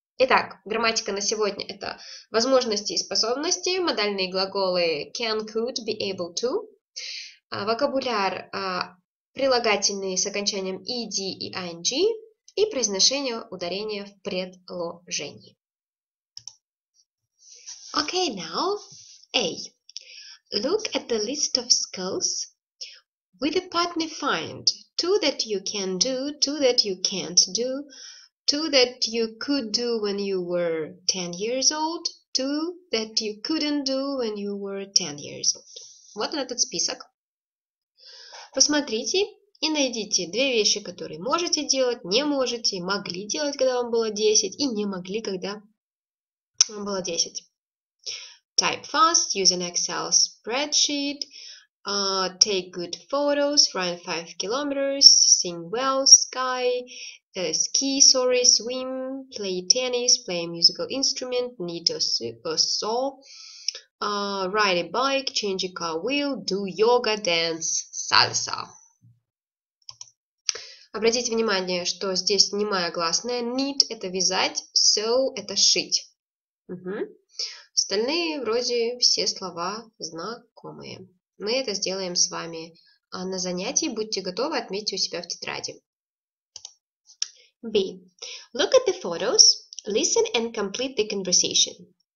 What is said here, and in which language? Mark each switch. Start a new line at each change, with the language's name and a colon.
Russian: Итак, грамматика на сегодня – это возможности и способности, модальные глаголы can, could, be able to, вокабуляр прилагательные с окончанием ed и ing и произношение ударения в предложении.
English: Okay, now, A. Look at the list of skills with a partner find. Two that you can do, two that you can't do. Two that you could do when you were 10 years old, two that you couldn't do when you were 10 years old.
Russian: Вот он этот список. Посмотрите и найдите две вещи, которые можете делать, не можете, могли делать, когда вам было 10, и не могли, когда вам было 10.
English: Type fast, use an Excel spreadsheet, take good photos, run 5 kilometers, sing well, sky, ski, sorry, swim, play tennis, play a musical instrument, knit a saw, ride a bike, change a car wheel, do yoga, dance, salsa.
Russian: Обратите внимание, что здесь немая гласная. Knit – это вязать, sew – это шить. Остальные вроде все слова знакомые. Мы это сделаем с вами на занятии. Будьте готовы, отметьте у себя в тетради.
English: B. Look at the photos, listen and complete the conversation.